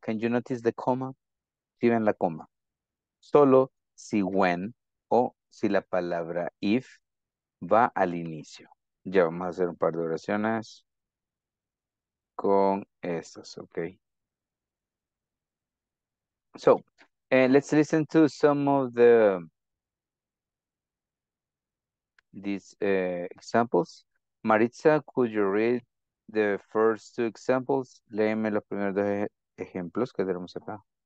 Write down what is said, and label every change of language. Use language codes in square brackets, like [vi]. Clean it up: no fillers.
[en] Can you notice the comma? [es] Si ven la coma. Solo si when o si la palabra if va al inicio. Ya vamos a hacer un par de oraciones con estas, okay? [en] So, let's listen to some of the these examples. Maritza, could you read the first two examples? [es] Léeme los primeros dos ejemplos que tenemos acá.